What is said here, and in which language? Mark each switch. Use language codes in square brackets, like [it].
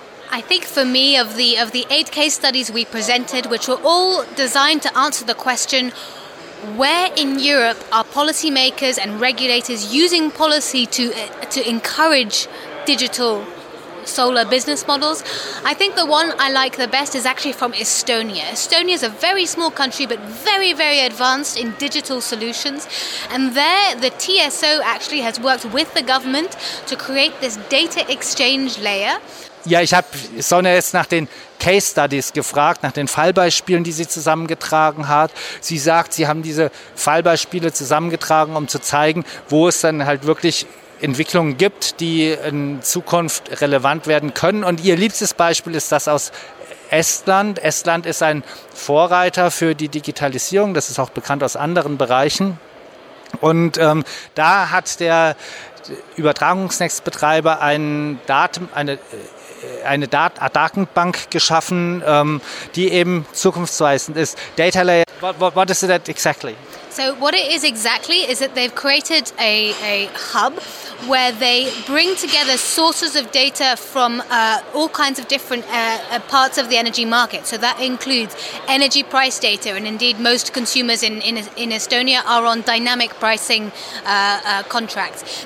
[en] I think for me, of the 8 case studies we presented, which were all designed to answer the question, where in Europe are policymakers and regulators using policy to encourage digital solar business models? I think the one I like the best is actually from Estonia. Estonia is a very small country, but very, very advanced in digital solutions. And there, the TSO actually has worked with the government to create this data exchange layer. [de] Ja, ich habe Sonja jetzt nach den Case Studies gefragt, nach den Fallbeispielen, die sie zusammengetragen hat. Sie sagt, sie haben diese Fallbeispiele zusammengetragen, um zu zeigen, wo es dann halt wirklich Entwicklungen gibt, die in Zukunft relevant werden können. Und ihr liebstes Beispiel ist das aus Estland. Estland ist ein Vorreiter für die Digitalisierung. Das ist auch bekannt aus anderen Bereichen. Und da hat der Übertragungsnetzbetreiber eine Datenbank geschaffen, die eben zukunftsweisend ist. [en] Data Layer, what is it exactly? So what it is exactly is that they've created a hub where they bring together sources of data from all kinds of different parts of the energy market. So that includes energy price data, and indeed most consumers in Estonia are on dynamic pricing contracts.